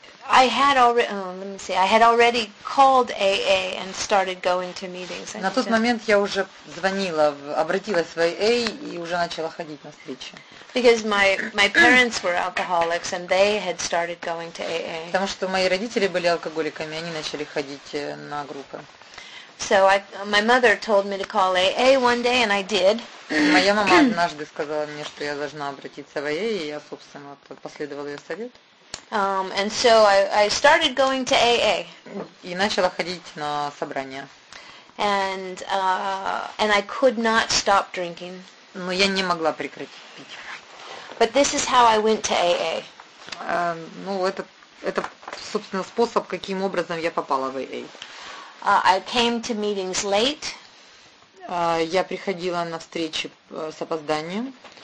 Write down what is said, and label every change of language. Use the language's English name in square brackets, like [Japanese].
[English] I had already called AA and started going to meetings. [Russian] На тот момент я уже звонила, обратилась в AA и уже начала ходить на встречи. [English] Because my parents were alcoholics and they had started going to AA. [Russian] Потому что мои родители были алкоголиками, они начали ходить на группы. [English] So my mother told me to call AA one day and I did. [Russian] Моя мама однажды сказала мне, что я должна обратиться в AA, и я, собственно, последовала ее совету. [English] And so I started going to AA. [Russian] И начала ходить на собрания. [English] And I could not stop drinking. [Russian] Но я не могла прекратить пить. [English] But this is how I went to AA. [Russian] Это собственно способ, каким образом я попала в AA. [English] I came to meetings late. [Russian] Я приходила на встречи с опозданием.